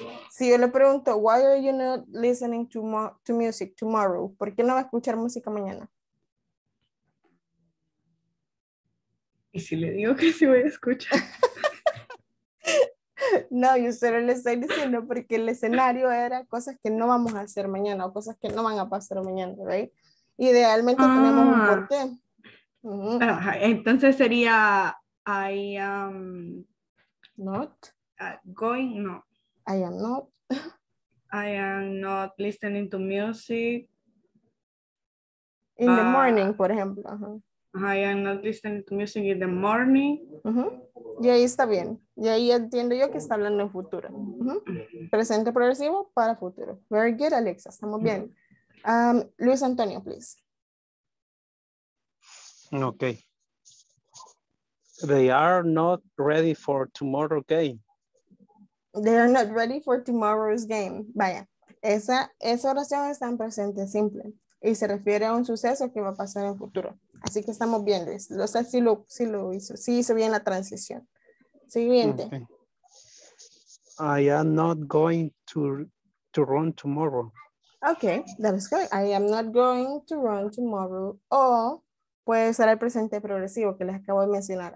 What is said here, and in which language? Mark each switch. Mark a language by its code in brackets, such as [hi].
[es] Si yo le pregunto, [en] why are you not listening to music tomorrow? [es] ¿Por qué no va a escuchar música mañana? ¿Y si le digo que sí voy a escuchar? No, yo solo le estoy diciendo porque el escenario era cosas que no vamos a hacer mañana o cosas que no van a pasar mañana, right? Idealmente tenemos un porqué. Entonces sería, [en] I am not going, no. I am not. I am not listening to music. In the morning, [es] por ejemplo. [en] I am not listening to music in the morning. [es] Y ahí está bien. Y ahí entiendo yo que está hablando en futuro. Presente progresivo para futuro. [en] Very good, [es] Alexa. Estamos bien. [en] Luis Antonio, please. Okay. They are not ready for tomorrow's game. They are not ready for tomorrow's game. [es] Vaya, esa oración está en presente simple y se refiere a un suceso que va a pasar en el futuro. Así que estamos bien, Luis. No sé si lo hizo. Sí hizo bien la transición. Siguiente. [en] Okay. I am not going to run tomorrow. Okay, that is good. I am not going to run tomorrow. [es] O puede ser el presente progresivo que les acabo de mencionar.